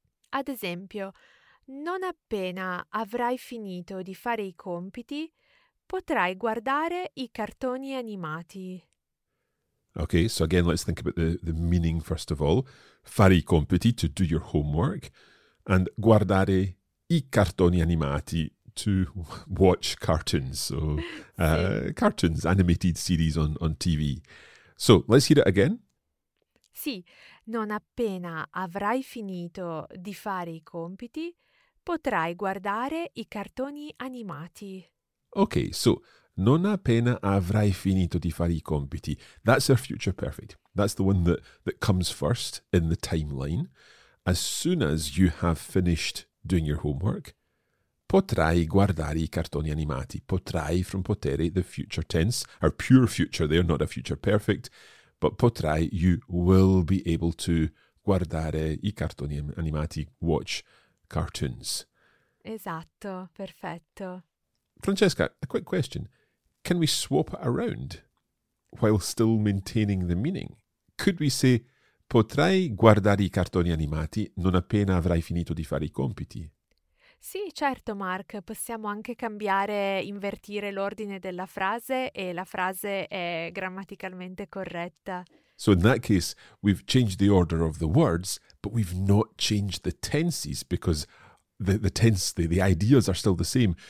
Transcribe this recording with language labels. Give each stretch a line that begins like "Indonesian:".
Italian: Ad esempio, non appena avrai finito di fare i compiti, potrai guardare i cartoni animati.
English: Ok, so again, let's think about the meaning first of all.
Italian: Fare i compiti,
English: to do your homework, and
Italian: guardare i cartoni animati,
English: to watch cartoons, so cartoons, animated series on TV. So, let's hear it again.
Italian: Sì, non appena avrai finito di fare i compiti, potrai guardare i cartoni animati. Ok, so, non appena avrai finito di fare i compiti.
English: That's our future perfect. That's the one that comes first in the timeline. As soon as you have finished doing your homework,
Italian: potrai guardare i cartoni animati.
English: Potrai from potere, the future tense, our pure future there, not a future perfect. But potrai, you will be able to
Italian: guardare i cartoni animati,
English: watch cartoons.
Italian: Esatto, perfetto.
English: Francesca, a quick question. Can we swap it around while still maintaining the meaning? Could we say,
Italian: potrai guardare i cartoni animati non appena avrai finito di fare i compiti? Sì, certo, Mark. Possiamo anche cambiare, invertire l'ordine della frase e la frase è grammaticalmente corretta.
English: So in that case, we've changed the order of the words, but we've not changed the tenses because the ideas are still the same.